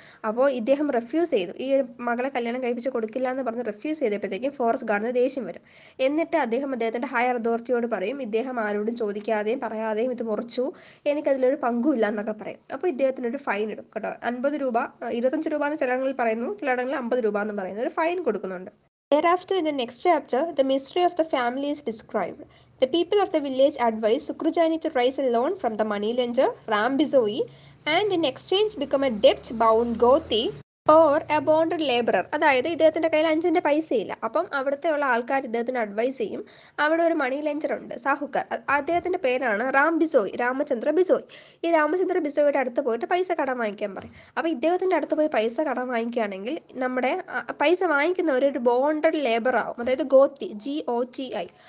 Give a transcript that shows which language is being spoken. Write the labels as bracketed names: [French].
[Malayalam] അപ്പോൾ ഇദ്ദേഹം റിഫ്യൂസ് ചെയ്തു, ഈ ഒരു മകളെ കല്യാണം കഴിപ്പിച്ച് കൊടുക്കില്ല എന്ന് പറഞ്ഞ് റിഫ്യൂസ് ചെയ്തപ്പോഴത്തേക്കും ഫോറസ്റ്റ് ഗാർഡിന് ദേഷ്യം വരും. എന്നിട്ട് അദ്ദേഹം അദ്ദേഹത്തിൻ്റെ ഹയർ അതോറിറ്റിയോട് പറയും, ഇദ്ദേഹം ആരോടും ചോദിക്കാതെയും പറയാതെയും ഇത് മുറിച്ചു, എനിക്കതിലൊരു പങ്കുമില്ല എന്നൊക്കെ പറയും. അപ്പൊ ഇദ്ദേഹത്തിനൊരു ഫൈൻ ഇടും കേട്ടോ, 50 രൂപ, 25 രൂപ എന്ന് ചിലയിടങ്ങളിൽ പറയുന്നു, ചിലയിടങ്ങളിൽ 50 രൂപ എന്ന് പറയുന്നു, ഒരു ഫൈൻ കൊടുക്കുന്നുണ്ട്. [English] Thereafter, in the next chapter, the mystery of the family is described. The people of the village advise Sukrujani to raise a loan from the money lender Rambizoi and in exchange become a debt-bound goti or a bonded laborer. [Malayalam] അതായത് ഇദ്ദേഹത്തിന്റെ കയ്യിൽ 5 saint പൈസ ഇല്ല. അപ്പം അവിടുത്തെ ഉള്ള ആൾക്കാർ ഇദ്ദേഹത്തിന് അഡ്വൈസ് ചെയ്യും, അവിടെ ഒരു മണി ലെഞ്ചർ ഉണ്ട്, സാഹുക്കർ. അദ്ദേഹത്തിന്റെ പേരാണ് രാമചന്ദ്ര ബിസോയ്. ഈ രാമചന്ദ്ര ബിസോയുടെ അടുത്ത് പോയിട്ട് പൈസ കടം വാങ്ങിക്കാൻ പറയും. അപ്പൊ ഇദ്ദേഹത്തിന്റെ അടുത്ത് പോയി പൈസ കടം വാങ്ങിക്കുകയാണെങ്കിൽ നമ്മുടെ പൈസ വാങ്ങിക്കുന്ന ഒരു ബോണ്ടഡ് ലേബർ ആവും, അതായത് ഗോത്തി, GOTI.